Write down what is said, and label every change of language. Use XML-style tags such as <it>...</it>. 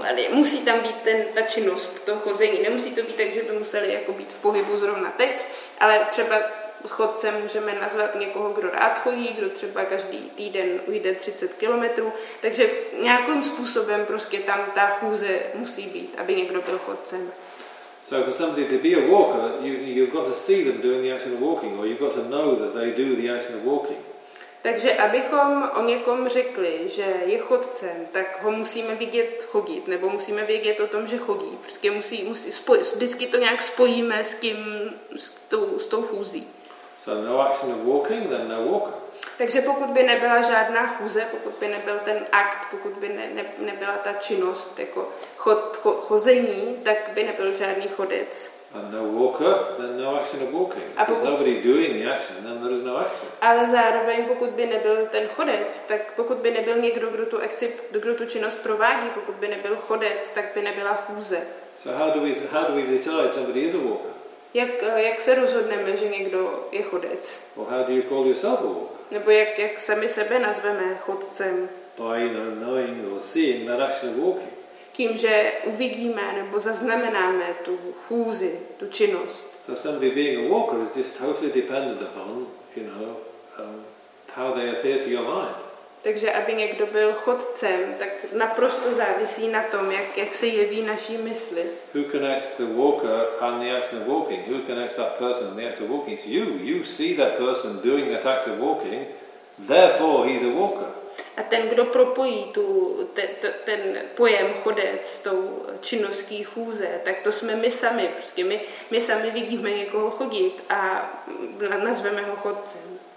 <cs>Musí tam být ta činnost, to chození. Nemusí to být tak, že by museli jako být v pohybu zrovna teď, ale třeba chodcem můžeme nazvat někoho, kdo rád chodí, kdo třeba každý týden ujde 30 kilometrů, takže nějakým způsobem prostě tam ta chůze musí být, aby někdo byl chodcem.</cs> <en>So for somebody to be a walker, you've got to see them doing the action of walking, or you've got to know that they do the action of walking.</en> <cs>Takže abychom o někom řekli, že je chodcem, tak ho musíme vidět chodit, nebo musíme vědět o tom, že chodí. Prostě musí vždycky to nějak spojíme s kým, s tou chůzí.</cs> <en>So no action of walking, then no walker.</en> <cs>Takže pokud by nebyla žádná chůze, pokud by nebyl ten akt, pokud by nebyla ta činnost, jako chození, tak by nebyl žádný chodec.</cs> <en>And no walker, then no action of walking. If there's nobody doing the action, then there is no action.</en> <cs>Ale zároveň, pokud by nebyl ten chodec, tak pokud by nebyl někdo, kdo tu činnost provádí, pokud by nebyl chodec, tak by nebyla chůze.</cs> <en>So how do we decide somebody is a walker?</en> <cs>Jak se rozhodneme, že někdo je chodec?</cs> <en>Well, how do you call yourself a walker?</en> <cs>Nebo jak sami sebe nazveme chodcem?</cs> <en>By knowing or seeing that action of walking.</en> <cs>Tím, že uvidíme nebo zaznamenáme tu chůzi, tu činnost.</cs> <en>So somebody being a walker is just totally dependent upon, you know, how they appear to your mind.</en> <cs>Takže aby někdo byl chodcem, tak naprosto závisí na tom, jak se jeví naší mysli.</cs> <en>Who connects the walker and the act of walking? Who connects that person and the act of walking? It's you. You see that person doing that act of walking, therefore he's a walker.</en> <cs>A ten, kdo propojí ten pojem chodec s tou činností chůze, tak to jsme my sami. Prostě my sami vidíme někoho chodit a nazveme ho chodcem.</cs>